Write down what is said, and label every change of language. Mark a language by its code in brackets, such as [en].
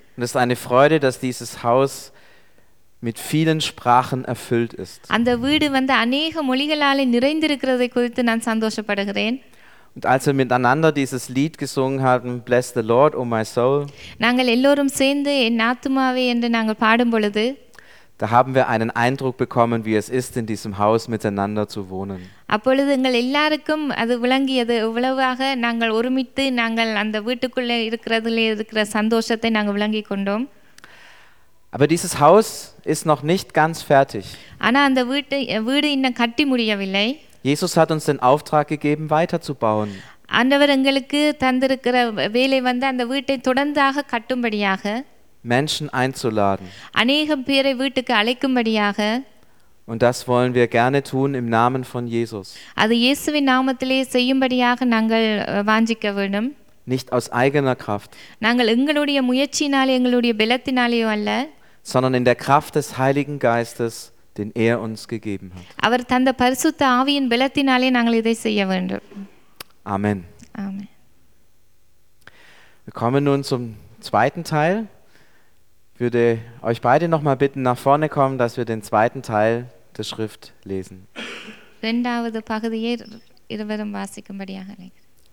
[de] Es ist eine Freude, dass dieses Haus mit vielen Sprachen erfüllt ist. [ta] அந்த வீடு வந்து அநேக மொழிகளால் நிறைந்திருக்கிறதை குறித்து நான் சந்தோஷப்படுகிறேன். [de] Und als wir miteinander dieses Lied gesungen haben, [en] Bless the Lord, O my soul. [ta] நாங்கள் எல்லோரும் சேர்ந்து என் ஆத்துமாவே என்று நாங்கள் பாடும் பொழுது, [de] da haben wir einen Eindruck bekommen, wie es ist, in diesem Haus miteinander zu wohnen. [ta] அப்பொழுது எங்கள் எல்லாருக்கும் அது விளங்கியது, எவ்வளவாக நாங்கள் ஒருமித்து நாங்கள் அந்த வீட்டுக்குள்ளே இருக்கிறதுல இருக்கிற சந்தோஷத்தை நாங்கள் விளங்கிக் கொண்டோம். [de] Aber dieses Haus ist noch nicht ganz fertig. [ta] ஆனா அந்த வீடு இன்னும் கட்டி முடியவில்லை. [de] Jesus hat uns den Auftrag gegeben, weiterzubauen. [ta] ஆண்டவர் எங்களுக்கு தந்திருக்கிற வேலை வந்து அந்த வீட்டை தொடர்ந்தாக கட்டும்படியாக, [de] Menschen einzuladen. [ta] அநேக பேரை வீட்டுக்கு அழைக்கும்படியாக. [de] Und das wollen wir gerne tun im Namen von Jesus. [ta] அது இயேசுவின் நாமத்திலே செய்யும்படியாக நாங்கள் வாஞ்சிக்க வேண்டும். [de] Nicht aus eigener Kraft. [ta] நாங்கள் எங்களுடைய முயற்சியினாலே எங்களுடைய பலத்தினாலேயோ அல்ல, [de] sondern in der Kraft des Heiligen Geistes, den er uns gegeben hat. [ta] அவர் தந்த பரிசுத்த ஆவியின் பலத்தினாலே நாங்கள் இதை செய்ய வேண்டும். [de] Amen. Amen. Wir kommen nun zum zweiten Teil. Ich würde euch beide noch mal bitten, nach vorne kommen, dass wir den zweiten Teil der Schrift lesen. [ta] இரண்டாவது பகுதியை இருவரும் வாசிக்கும்படியாக அழைக்கிறேன்.